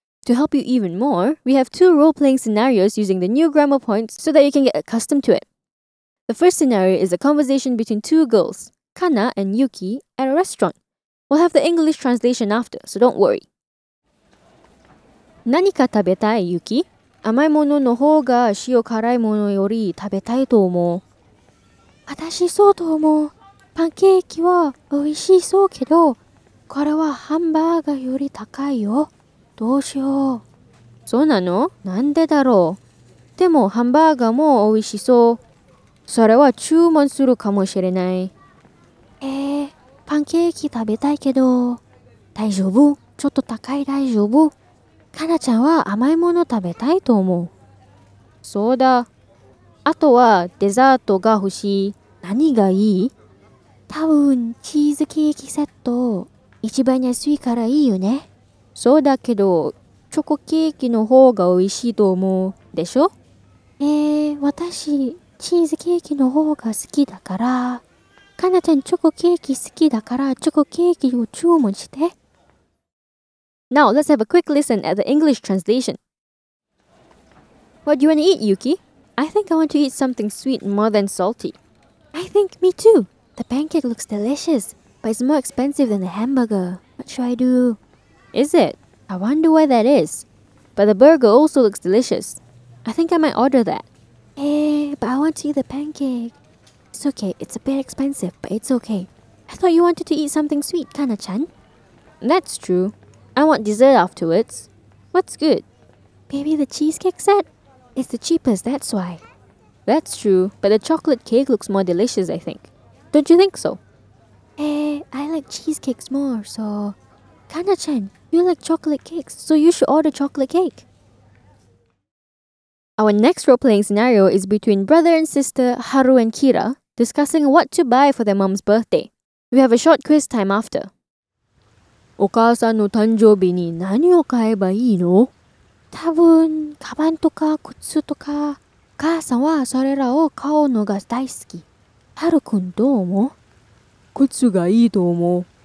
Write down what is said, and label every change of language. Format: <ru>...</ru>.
<en>To help you even more, we have two role-playing scenarios using the new grammar points so that you can get accustomed to it. The first scenario is a conversation between two girls, Kana and Yuki at a restaurant. We'll have the English translation after, so don't worry.</en> <ja>何か食べたい、ユキ？甘いものの方が塩辛いものより食べたいと思う。私そうと思う。パンケーキは美味しそうけど、これはハンバーガーより高いよ。どうしよう。そうなの？なんでだろう。でもハンバーガーも美味しそう。それは注文するかもしれない。パンケーキ食べたいけど。大丈夫？ちょっと高い大丈夫？かなちゃんは甘いもの食べたいと思う。そうだ。あとはデザートが欲しい。何がいい？多分チーズケーキセット。一番安いからいいよね。そうだけど、チョコケーキの方が美味しいと思う。でしょ？私、チーズケーキの方が好きだから。かなちゃんチョコケーキ好きだから、チョコケーキを注文して。</ja> <en>Now, let's have a quick listen at the English translation. What do you want to eat, Yuki? I think I want to eat something sweet more than salty. I think me too. The pancake looks delicious, but it's more expensive than the hamburger. What should I do? Is it? I wonder why that is. But the burger also looks delicious. I think I might order that. But I want to eat the pancake. It's okay, it's a bit expensive, but it's okay. I thought you wanted to eat something sweet, Kana-chan. That's true. I want dessert afterwards. What's good? Maybe the cheesecake set? It's the cheapest, that's why. That's true, but the chocolate cake looks more delicious, I think. Don't you think so? I like cheesecakes more, so... Kana-chan, you like chocolate cakes, so you should order chocolate cake. Our next role-playing scenario is between brother and sister Haru and Kira discussing what to buy for their mom's birthday. We have a short quiz time after.</en> <ja>お母さんの誕生日に何を買えばいいの？多分、カバンとか靴とか。お母さんはそれらを買うのが大好き。ハル君どう思う？靴がいいと思う。</ja>